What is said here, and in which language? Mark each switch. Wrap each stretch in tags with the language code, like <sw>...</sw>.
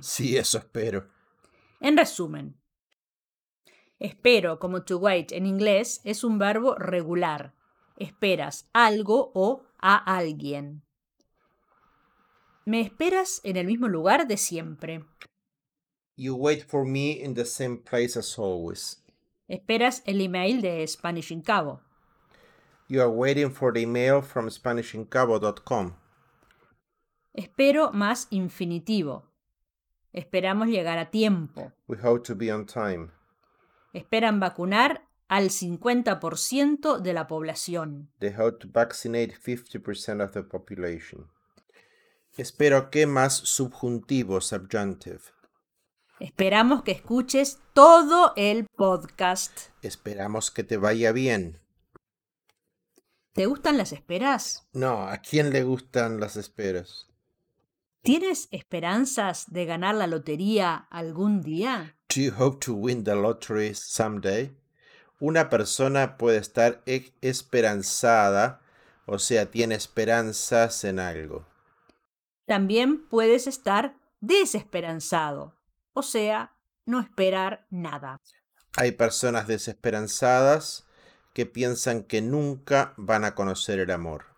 <es>Sí, eso espero. En resumen, espero como to wait en inglés es un verbo regular. Esperas algo o a alguien. Me esperas en el mismo lugar de siempre.</es> <en>You wait for me in the same place as always.</en> <es>Esperas el email de Spanish in Cabo.</es> <en>You are waiting for the email from SpanishinCabo.com.</en> <es>Espero más infinitivo. Esperamos llegar a tiempo.</es> <en>We hope to be on time.</en> <es>Esperan vacunar al 50% de la población.</es> <en>They hope to vaccinate 50% of the population.</en> <es>Espero que más subjuntivo, subjunctive. Esperamos que escuches todo el podcast. Esperamos que te vaya bien. ¿Te gustan las esperas? No, ¿a quién le gustan las esperas? ¿Tienes esperanzas de ganar la lotería algún día?</es> <en>Do you hope to win the lottery someday?</en> <es>Una persona puede estar esperanzada, o sea, tiene esperanzas en algo. También puedes estar desesperanzado, o sea, no esperar nada. Hay personas desesperanzadas que piensan que nunca van a conocer el amor.</es>